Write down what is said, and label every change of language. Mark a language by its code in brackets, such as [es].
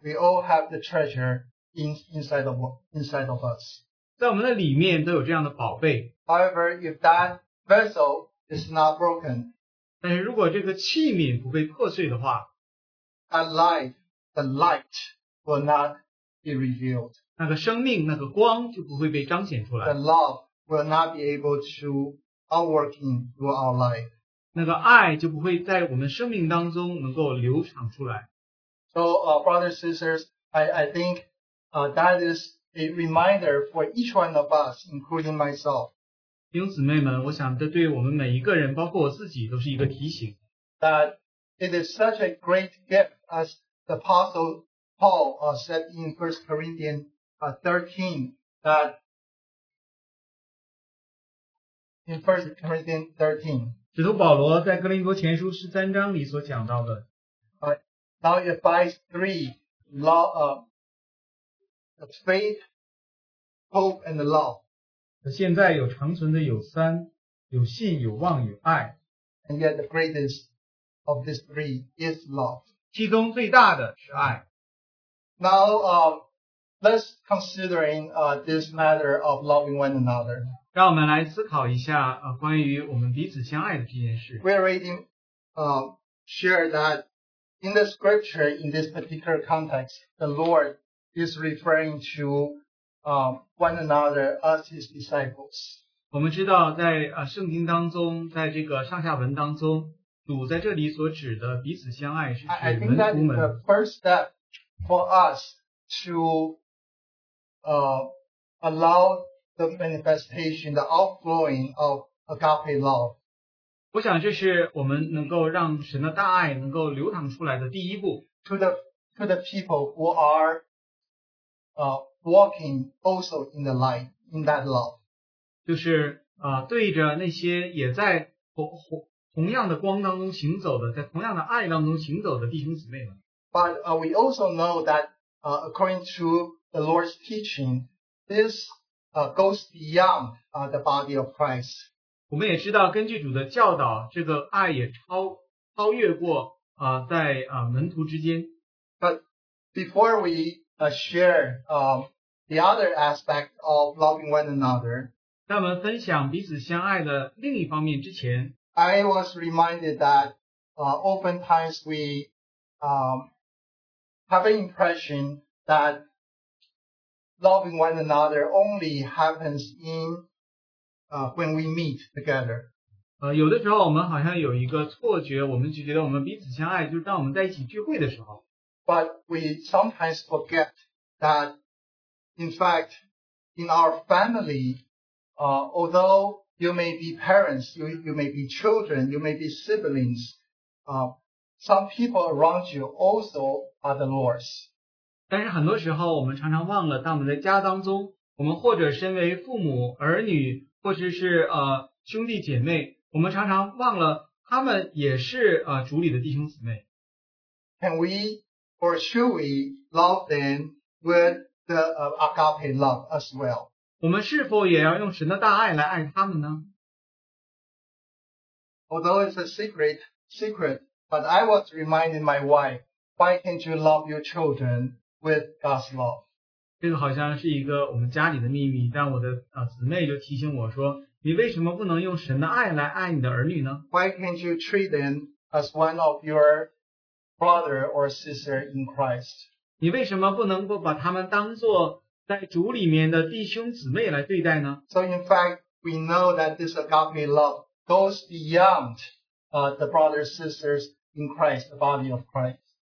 [en] We all have the treasure inside of us. [zh] 在我们的里面都有这样的宝贝。 [en] However, if that vessel is not broken, [zh] 但是如果这个器皿不被破碎的话, [en] the light will not be revealed. [zh] 那个生命,那个光就不会被彰显出来。 [en] The love will not be able to outwork in through our life. [zh] 那个爱就不会在我们生命当中能够流淌出来。 [en] So, brothers and sisters, I think that is a reminder for each one of us, including myself. [zh] 弟兄姊妹们，我想这对我们每一个人，包括我自己，都是一个提醒。 [en] That it is such a great gift as the Apostle Paul said in 1 Corinthians 13 that in 1 Corinthians 13. [zh] 使徒保罗在哥林多前书十三章里所讲到的。 [en] Now it abides three law, the faith, hope, and the love. [zh] 现在有长存的有三，有信，有望，有爱。 [en] And yet the greatest of these three is love. [zh] 其中最大的是爱。 [en] Now, let's consider this matter of loving one another. [zh] 让我们来思考一下关于我们彼此相爱的这件事。 [en] We already share that in the scripture, in this particular context, the Lord is referring to one another as his disciples. [zh] 我们知道在圣经当中，在这个上下文当中，主在这里所指的彼此相爱是指门徒们。 [en] I think that is the first step for us to allow the manifestation, the outflowing of agape love. [zh] 我想这是我们能够让神的大爱能够流淌出来的第一步。 [en] To the people who are walking also in the light, in that love. [zh] 就是对着那些也在同样的光当中行走的，在同样的爱当中行走的弟兄姊妹们。 [en] But we also know that according to the Lord's teaching, this goes beyond the body of Christ. [zh] 我们也知道根据主的教导，这个爱也超越过在门徒之间。 [en] But before we share the other aspect of loving one another, [zh] 在我们分享彼此相爱的另一方面之前， [en] I was reminded that oftentimes we have an impression that loving one another only happens in when we meet together. [zh] 有的时候我们好像有一个错觉，我们就觉得我们彼此相爱，就是当我们在一起聚会的时候。 [en] But we sometimes forget that, in fact, in our family, although you may be parents, you may be children, you may be siblings, some people around you also are the Lord's. [zh] 但是很多时候我们常常忘了，当我们在家当中，我们或者身为父母、儿女，或者是兄弟姐妹，我们常常忘了他们也是主里的弟兄姊妹。 [en] Can we or should we love them with the agape love as well? [zh] 我们是否也要用神的大爱来爱他们呢？ [en] Although it's a secret, but I was reminding my wife, why can't you love your children with God's love? [zh] 这个好像是一个我们家里的秘密，但我的姊妹就提醒我说，你为什么不能用神的爱来爱你的儿女呢？ [en] Why can't you treat them as one of your brother or sister in Christ? [zh] 你为什么不能够把他们当作在主里面的弟兄姊妹来对待呢？ [en] So in fact, we know that this agape love goes beyond the brothers and sisters in Christ, the body of Christ.